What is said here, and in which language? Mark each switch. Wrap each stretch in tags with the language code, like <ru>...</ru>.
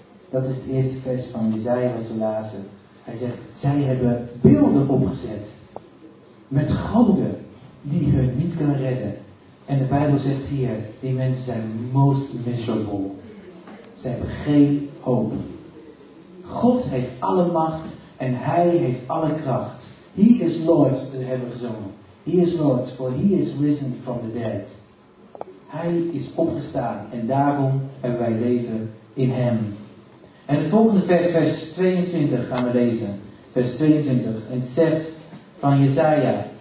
<nl>Dat is het eerste vers van Jesaja wat ze lazen. Hij zegt, zij hebben beelden opgezet met goden die hun niet kunnen redden. En de Bijbel zegt hier, die mensen zijn</nl> <en>most miserable.</en> <nl>Ze hebben geen hoop. God heeft alle macht en hij heeft alle kracht.</nl> <en>He is Lord,</en> <nl>dat hebben we gezongen.</nl> <en>He is Lord, for he is risen from the dead.</en> <nl>Hij is opgestaan en daarom hebben wij leven in hem. En het volgende vers, vers 22 gaan we lezen. Vers 22, en het zegt van Jesaja.</nl>